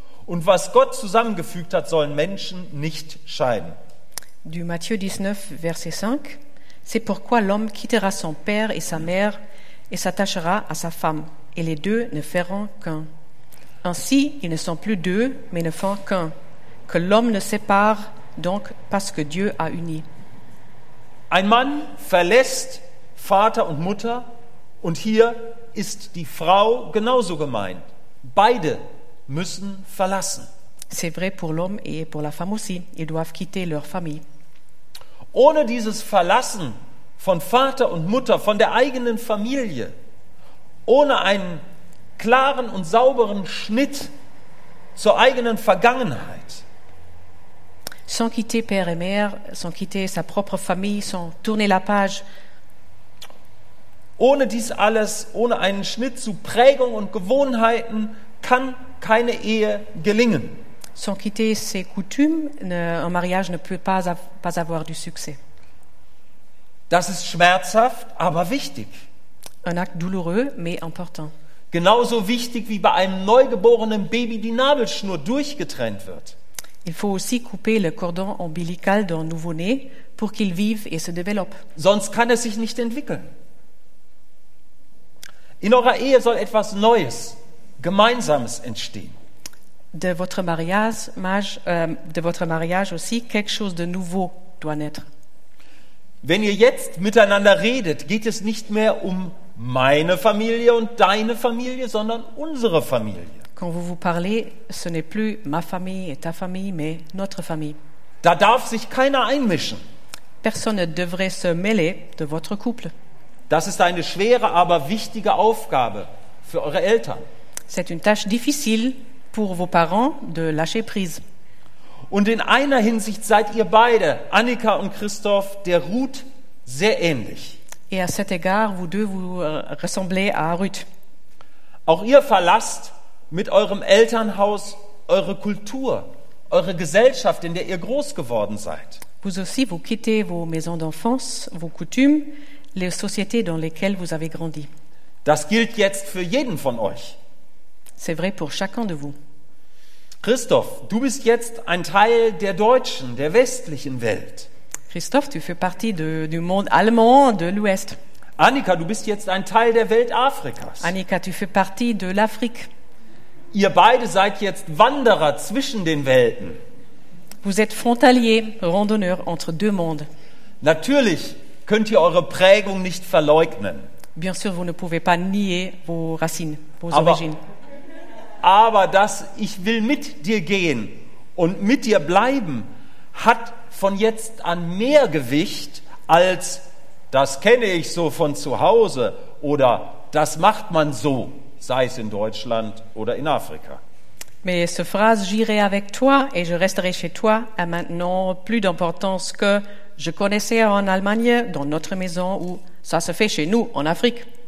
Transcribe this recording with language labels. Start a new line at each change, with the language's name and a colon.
German: Und was Gott zusammengefügt hat, sollen Menschen nicht scheiden.
French: Du Matthieu 19, Verset 5. C'est pourquoi l'homme quittera son père et sa mère et s'attachera à sa femme, et les deux ne feront qu'un. Ainsi, ils ne sont plus deux, mais ne font qu'un. Que l'homme ne sépare donc pas ce que Dieu a uni.
German: Ein Mann verlässt Vater und Mutter, und hier ist die Frau genauso gemeint. Beide müssen verlassen.
French: C'est vrai pour l'homme et pour la femme aussi. Ils doivent quitter leur famille.
German: Ohne dieses Verlassen von Vater und Mutter, von der eigenen Familie, ohne einen klaren und sauberen Schnitt zur eigenen Vergangenheit.
French: Sans quitter père et mère, sans quitter sa propre famille, sans tourner la page.
German: Ohne dies alles, ohne einen Schnitt zu Prägung und Gewohnheiten, kann keine Ehe gelingen.
French: Sans quitter ses coutumes, un mariage ne peut pas avoir du succès.
German: Das ist schmerzhaft, aber wichtig.
French: Un acte douloureux, mais important.
German: Genauso wichtig wie bei einem neugeborenen Baby die Nabelschnur durchgetrennt wird.
French: Il faut aussi couper le cordon ombilical d'un nouveau-né pour qu'il vive et se développe.
German: Sonst kann es sich nicht entwickeln. In eurer Ehe soll etwas Neues, Gemeinsames entstehen.
French: De votre mariage, de votre mariage aussi, quelque chose de nouveau doit naître.
German: Wenn ihr jetzt miteinander redet, geht es nicht mehr um meine Familie und deine Familie, sondern unsere Familie.
French: Quand vous vous parlez, ce n'est plus ma famille et ta famille, mais notre famille.
German: Da darf sich keiner einmischen.
French: Personne ne devrait se mêler de votre couple.
German: Das ist eine schwere, aber wichtige Aufgabe für eure Eltern.
French: C'est une tâche difficile pour vos parents de lâcher prise.
German: Und in einer Hinsicht seid ihr beide, Annika und Christoph, der Ruth sehr ähnlich.
French: Et à cet égard, vous deux vous ressemblez à Ruth.
German: Auch ihr verlasst mit eurem Elternhaus eure Kultur, eure Gesellschaft, in der ihr groß geworden seid.
French: Vous aussi vous quittez vos maisons d'enfance, vos coutumes, les sociétés dans lesquelles vous avez grandi.
German: Das gilt jetzt für jeden von euch.
French: C'est vrai pour chacun de vous.
German: Christoph, du bist jetzt ein Teil der deutschen, der westlichen Welt.
French: Christoph, tu fais partie du monde allemand, de l'Ouest.
German: Annika, du bist jetzt ein Teil der Welt Afrikas.
French: Annika, tu fais partie de l'Afrique.
German: Ihr beide seid jetzt Wanderer zwischen den Welten.
French: Vous êtes frontalier, randonneur entre deux mondes.
German: Natürlich könnt ihr eure Prägung nicht verleugnen.
French: Bien sûr, vous ne pouvez pas nier vos racines, vos origines.
German: Aber das, ich will mit dir gehen und mit dir bleiben, hat von jetzt an mehr Gewicht als das kenne ich so von zu Hause oder das macht man so, sei es in Deutschland oder in Afrika.
French: Mais cette phrase « J'irai avec toi et je resterai chez toi » a maintenant plus d'importance que « Je connaissais en Allemagne, dans notre maison » ou « Ça se fait chez nous, en Afrique ».